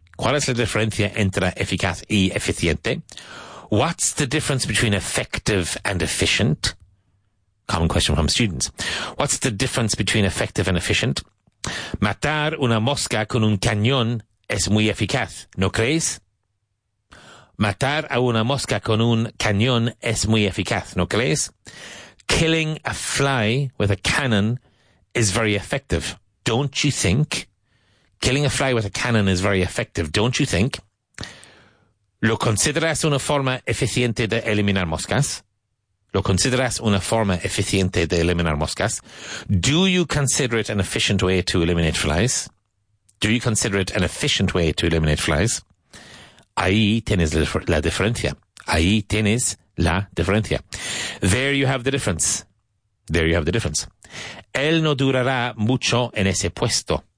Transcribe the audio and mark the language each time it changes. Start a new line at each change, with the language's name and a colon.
Spanish: ¿Cuál es la diferencia entre eficaz y eficiente?
English: What's the difference between effective and efficient? Common question from students. What's the difference between effective and efficient?
Spanish: Matar una mosca con un cañón es muy eficaz, ¿no crees? Matar a una mosca con un cañón es muy eficaz, ¿no crees?
English: Killing a fly with a cannon is very effective, don't you think? Killing a fly with a cannon is very effective, don't you think?
Spanish: ¿Lo consideras una forma eficiente de eliminar moscas? ¿Lo consideras una forma eficiente de eliminar moscas?
English: Do you consider it an efficient way to eliminate flies? Do you consider it an efficient way to eliminate flies?
Spanish: Ahí tienes la diferencia. Ahí tienes la diferencia.
English: There you have the difference. There you have the difference.
Spanish: Él no durará mucho en ese puesto.